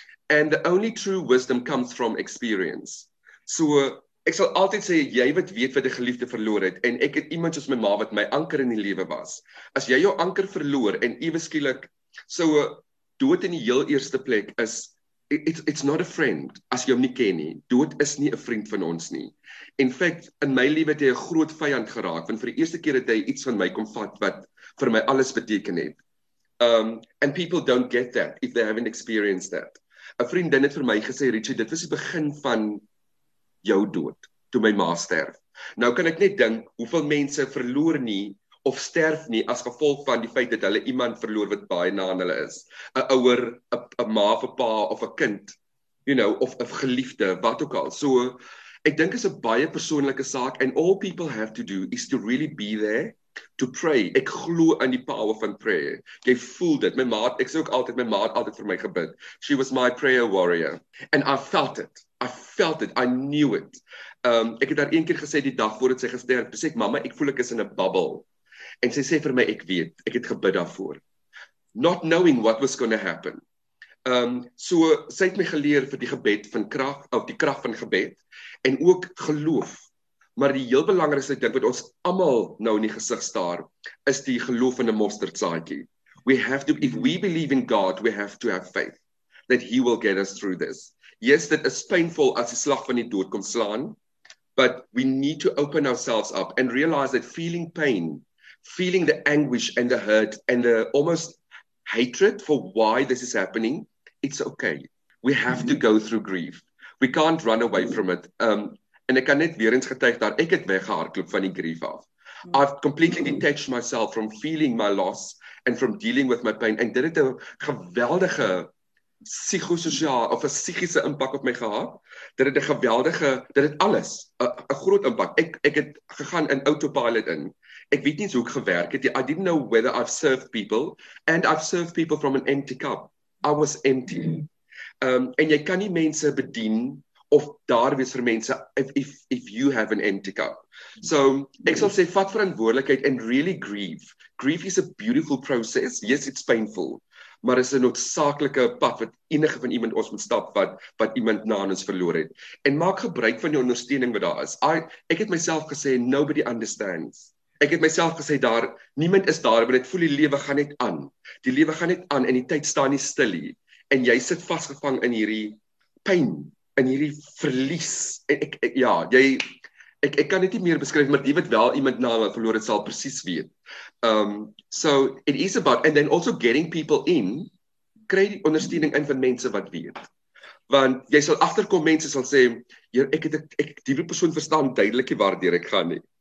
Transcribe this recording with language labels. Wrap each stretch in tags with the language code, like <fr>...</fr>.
<en>And the only true wisdom comes from experience.</en> <af>So ek sal altyd sê jy wat weet wat 'n geliefde verloor het en ek het iemand soos my ma wat my anker in die lewe was. As jy jou anker verloor en ewe skielik sou dood in die heel eerste plek is</af> <en>it's not a friend</en> <af>as jy hom nie ken nie. Dood is nie 'n vriend van ons nie. In feite in my lewe het hy 'n groot vyand geraak want vir die eerste keer het hy iets van my kom vat wat vir my alles beteken het.</af> <en>And people don't get that if they haven't experienced that.</en> <af>'N Vriendin het vir my gesê Richie, dit was die begin van jou dood, toe my ma sterf. Nou kan ek net dink hoeveel mense verloor nie of sterf nie as gevolg van die feit dat hulle iemand verloor wat baie na aan hulle is. 'N ouer, 'n ma of 'n pa of 'n kind, you know, of 'n geliefde, wat ook al. So ek dink is 'n baie persoonlike saak</af> <en>and all people have to do is to really be there to pray.</en> <af>Ek glo in die power van prayer. Jy voel dit. My ma, ek sê ook altyd my ma het altyd vir my gebid.</af> <en>She was my prayer warrior and I felt it. I felt it. I knew it.</en> <af>Ek het haar een keer gesê die dag voordat sy gesterf, sê ek, mama, ek voel ek is</af> <en>in a bubble.</en> <af>En sy sê vir my, ek weet, ek het gebid daarvoor.</af> <en>Not knowing what was going to happen.</en> <af>So, sy het my geleer vir die gebed van krag, of die krag van gebed, en ook geloof. Maar die heel belangrikste ding wat ons allemaal nou in die gesig staar, is die geloof in 'n mosterdsaadjie.</af> <en>We have to, if we believe in God, we have to have faith that He will get us through this. Yes, that is painful as</en> <af>die slag van die dood kom slaan,</af> <en>but we need to open ourselves up and realize that feeling pain, feeling the anguish and the hurt and the almost hatred for why this is happening, it's okay. We have to go through grief. We can't run away from it.</en> <af>En ek kan net weer eens getuig daar, ek het weggehardloop van die grief af.</af> <en>I've completely detached myself from feeling my loss and from dealing with my pain.</en> <af>En dit het 'n geweldige psigosociale of 'n psigiese impak op my gehad. Dit het 'n geweldige, dit het alles, 'n groot impak. Ek het gegaan in autopilot in. Ek weet nie hoe ek gewerk het.</af> <en>I didn't know whether I've served people and I've served people from an empty cup. I was empty.</en> <af>En jy kan nie mense bedien of daar wees vir mense</af> <en>if you have an empty cup.</en> <af>So, ek sal sê, vat verantwoordelikheid</af> <en>and really grieve. Grief is a beautiful process. Yes, it's painful.</en> <af>Maar is 'n noodsaaklike pad wat enige van iemand ons moet stap wat iemand na ons verloor het. En maak gebruik van die ondersteuning wat daar is. Ek het myself gesê,</af> <en>nobody understands.</en> <af>Ek het myself gesê, daar niemand is daar, want ek voel die lewe gaan net aan. Die lewe gaan net aan en die tyd staan nie stil nie. En jy sit vasgevang in hierdie pyn. En hierdie verlies, ek kan dit nie meer beskryf, maar die wat wel iemand na hulle verloor het, sal precies weet.</af> <en>So, it is about, and then also getting people in,</en> <af>kry die ondersteuning in van mense wat weet. Want jy sal agterkom, mense sal sê, ek die persoon verstaan duidelik nie waardeur ek gaan nie.</af>